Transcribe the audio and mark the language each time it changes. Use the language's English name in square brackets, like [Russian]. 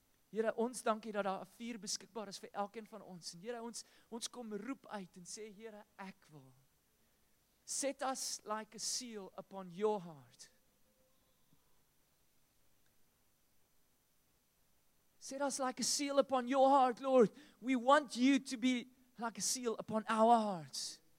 [Afrikaans] Here, ons dank u dat daar 'n vuur beskikbaar is vir elkeen van ons. En Here, ons kom roep uit en sê, Here, ek wil. [English] Set us like a seal upon your heart. Set us like a seal upon your heart, Lord. We want you to be like a seal upon our hearts.